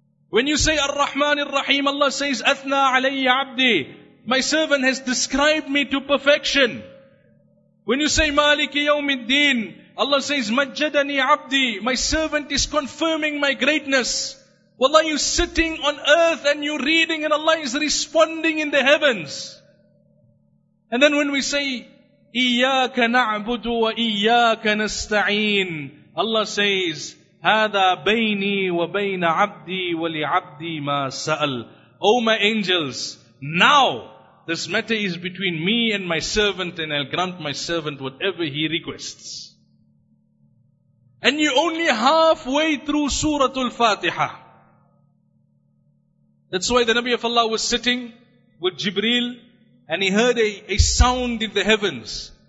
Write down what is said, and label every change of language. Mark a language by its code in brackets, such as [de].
[en] When you say, [ar] الرَّحْمَنِ الرَّحِيمِ, [en] Allah says, [ar] أَثْنَى عَلَيَّ عَبْدِي, [en] my servant has described me to perfection. When you say, [ar] مَالِكِ يَوْمِ الدِّينِ, [en] Allah says, [ar] مَجَّدَنِي عَبْدِي, [en] my servant is confirming my greatness. Wallah, you sitting on earth and you reading and Allah is responding in the heavens. And then when we say, [ar] إِيَّاكَ نَعْبُدُ وَإِيَّاكَ نَسْتَعِينَ, [en] Allah says, [ar] هَذَا بَيْنِي وَبَيْنَ عَبْدِي وَلِعَبْدِي مَا سَأَلْ. [en] O my angels, now this matter is between me and my servant, and I'll grant my servant whatever he requests. And you're only halfway through Suratul Fatiha. That's why the Nabi of Allah was sitting with Jibreel and he heard a sound in the heavens.